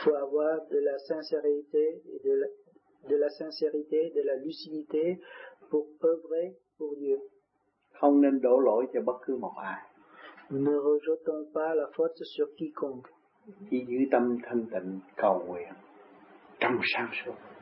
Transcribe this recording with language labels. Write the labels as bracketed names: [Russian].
[French] faut avoir de la sincérité et de la sincérité, de la lucidité pour œuvrer pour Dieu. [Vietnamese] Không nên đổ lỗi cho bất cứ một ai. [French] Ne rejetons pas la faute sur quiconque. [Vietnamese] Chỉ giữ tâm thanh tịnh cầu nguyện trong sáng suốt.